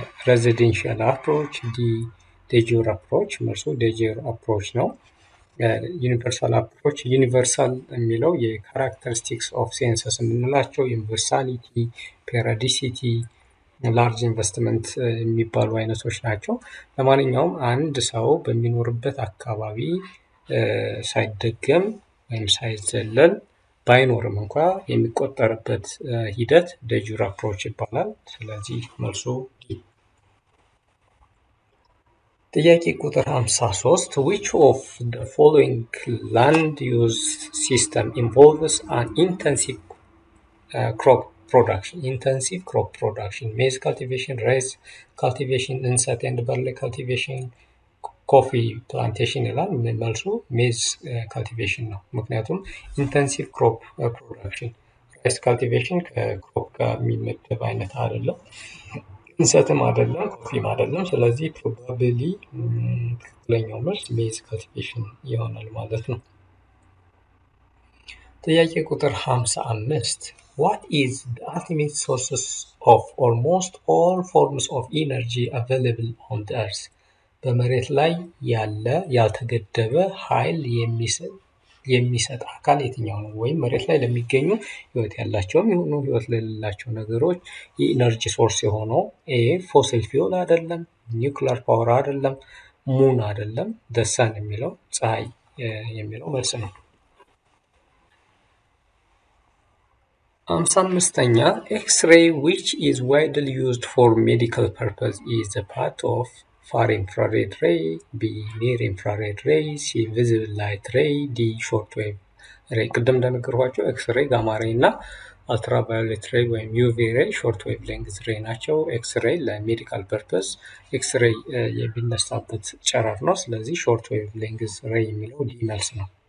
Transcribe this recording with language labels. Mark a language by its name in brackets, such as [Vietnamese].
[Amharic] residential approach, D ዴጀር አፕሮች መርሶ ዴጀር አፕሮች ነው። ዩኒቨርሳል አፕሮች ዩኒቨርሳል የሚለው የካራክተሪስቲክስ ኦፍ ሴንሰስ የምንላቸው ዩኒቨርሳሊቲ፣ ፔራዲሲቲ፣ ላርጅ ኢንቨስትመንት የሚባሉ አይነቶች ናቸው። ለማንኛውም አንድ ሰው በሚኖርበት አካባቢ ሳይደገም ወይም ሳይዘለል ባይኖርም እንኳ የሚቆጠርበት ሂደት ዴጀር አፕሮች ይባላል። ስለዚህ መርሶ ጥያቄ ቁጥር 53 [English] which of the following land use system involves an intensive crop production? Intensive crop production, maize cultivation, rice cultivation, insect and barley cultivation, coffee plantation [Amharic] ይላል። መልሱ maize cultivation ነው። ምክንያቱም intensive crop production rice cultivation ከcrop ጋር የሚመደብ አይነት አይደለም። ኢንሰትም አይደለም ኮፊም አይደለም። ስለዚህ ፕሮባብሊ ትክክለኛው መልስ ሜዝ ካልቲቬሽን ይሆናል ማለት ነው። ጥያቄ ቁጥር 55 [English] what is the ultimate sources of almost all forms of energy available on the earth? [Amharic] በመሬት ላይ ያለ ያልተገደበ ኃይል የሚሰጥ የሚሰጥ አካል የትኛው ነው ወይ መሬት ላይ ለሚገኙ ህይወት ያላቸውም ይሁን ህይወት ለሌላቸው ነገሮች የኢነርጂ ሶርስ የሆነው ኤ ፎሲል ፊውል አይደለም ኒውክሊየር ፓወር አይደለም ሙን አይደለም ዘ ሰን የሚለው ፀሐይ የሚለው መልስ ነው። [English] 55ኛ X-ray which is widely used for medical purpose is a part of far infrared ray, B near infrared ray, C visible light ray, D short wave ray. [Amharic] ቅድም እንደነገርኳችሁ X-ray gamma ray እና ultraviolet ray ወይም UV ray short wave length ray ናቸው። X-ray ለmedical purpose X-ray የሚነሳበት ጨረር ነው። ስለዚህ short wave length ray የሚለው D መልስ ነው።